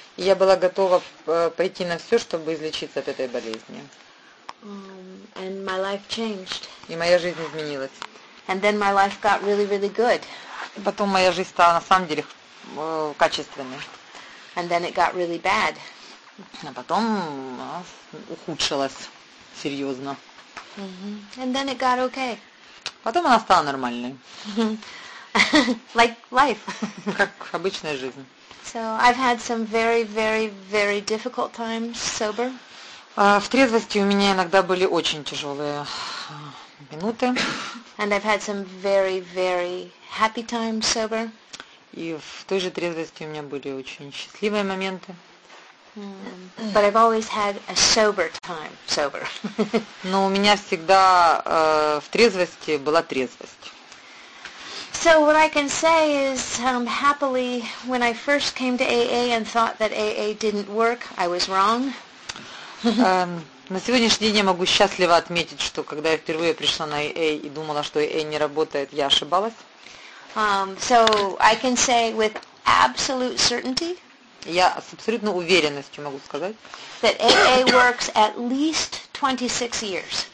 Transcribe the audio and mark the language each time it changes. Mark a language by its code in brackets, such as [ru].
[ru] Я была готова пойти на все, чтобы излечиться от этой болезни. [en] And my life changed. [ru] И моя жизнь изменилась. [en] And then my life got really, really good. [ru] Потом моя жизнь стала на самом деле качественной. [en] And then it got really bad. [ru] А потом ухудшилась серьезно. [en] Mm-hmm. And then it got okay. [ru] Потом она стала нормальной. [en] Like life. [ru] Как обычная жизнь. [en] So I've had some very, very, very difficult times sober. [ru] В трезвости у меня иногда были очень тяжелые минуты. [en] And I've had some very, very happy times sober. [ru] И в той же трезвости у меня были очень счастливые моменты. [en] But I've always had a sober time, sober. [ru] Но у меня всегда в трезвости была трезвость. [en] So what I can say is, happily, when I first came to AA and thought that AA didn't work, I was wrong. [ru] На сегодняшний день я могу счастливо отметить, что когда я впервые пришла на AA и думала, что AA не работает, я ошибалась. [en] So I can say with absolute certainty. [ru] Я с абсолютной уверенностью могу сказать, [en] that AA works at least 26 years.